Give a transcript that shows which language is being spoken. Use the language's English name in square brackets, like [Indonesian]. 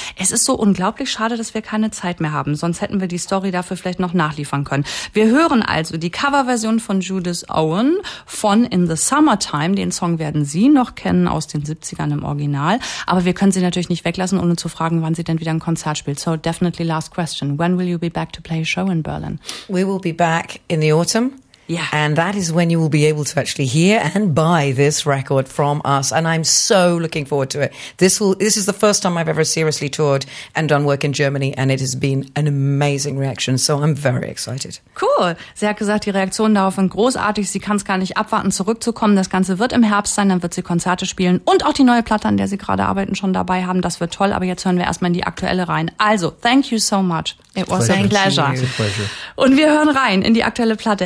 [German] Es ist so unglaublich schade, dass wir keine Zeit mehr haben, sonst hätten wir die Story dafür vielleicht noch nachliefern können. Wir hören also die Coverversion von Judith Owen von In the Summertime. Den Song werden Sie noch kennen aus den 70ern im Original, aber wir können sie natürlich nicht weglassen, ohne zu fragen, wann sie denn wieder ein Konzert spielt. [English] So definitely last question. When will you be back to play a show in Berlin? We will be back in the autumn. Yeah. And that is when you will be able to actually hear and buy this record from us. And I'm so looking forward to it. This is the first time I've ever seriously toured and done work in Germany. And it has been an amazing reaction. So I'm very excited. Cool. [German] Sie hat gesagt, die Reaktionen darauf sind großartig. Sie kann es gar nicht abwarten, zurückzukommen. Das Ganze wird im Herbst sein. Dann wird sie Konzerte spielen und auch die neue Platte, an der sie gerade arbeiten, schon dabei haben. Das wird toll. Aber jetzt hören wir erstmal in die aktuelle rein. Also, [English] thank you so much. It was a pleasure. [German] Und wir hören rein in die aktuelle Platte.